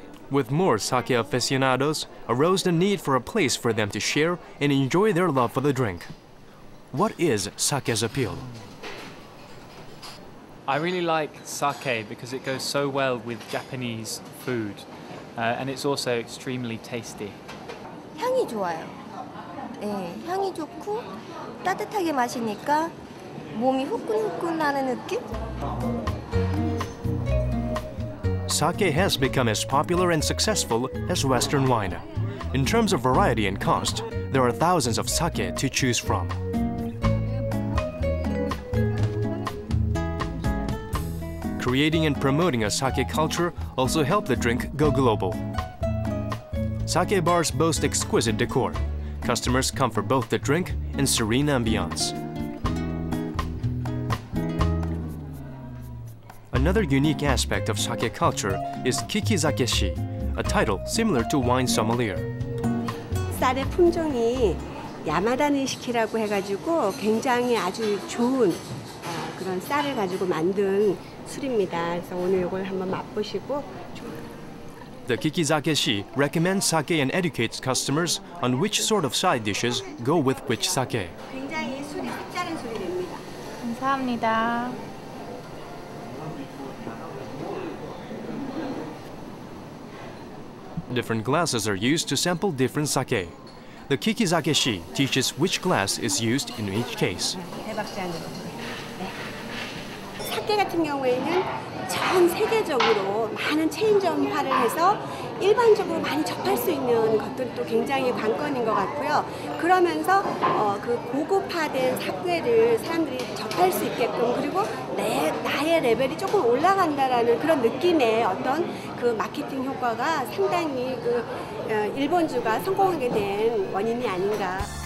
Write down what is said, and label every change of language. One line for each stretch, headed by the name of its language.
English: With more sake aficionados, arose the need for a place for them to share and enjoy their love for the drink. What is sake's appeal? I really like sake because it goes so well with Japanese food, and it's also extremely tasty.
Korean: 향이 좋아요. 네, 향이 좋고 따뜻하게 마시니까 몸이 후끈후끈하는 느낌?
English: Sake has become as popular and successful as Western wine. In terms of variety and cost, there are thousands of sake to choose from. Creating and promoting a sake culture also helped the drink go global. sake bars boast exquisite decor. Customers come for both the drink and serene ambiance. Another unique aspect of sake culture is kikizakeshi, a title similar to wine sommelier.
Korean: 쌀의 품종이 야마다니시키라고 해가지고 굉장히 아주 좋은 그런 쌀을 가지고 만든 술입니다. 그래서 오늘 이걸 한번 맛보시고.
English: The kikizakeshi recommends sake and educates customers on which sort of side dishes go with which sake.
Korean: 굉장히 술이 색다른 술이 됩니다. 감사합니다.
English: Different glasses are used to sample different sake. The kikizakeshi teaches which glass is used in each case.
Korean: 사케 같은 경우에는 전 세계적으로 많은 체인점화를 해서 일반적으로 많이 접할 수 있는 것들이 또 굉장히 관건인 것 같고요. 그러면서 그 고급화된 사케를 사람들이 접할 수 있게끔 그리고 나의 레벨이 조금 올라간다라는 그런 느낌의 어떤 그 마케팅 효과가 상당히 그 일본주가 성공하게 된 원인이 아닌가.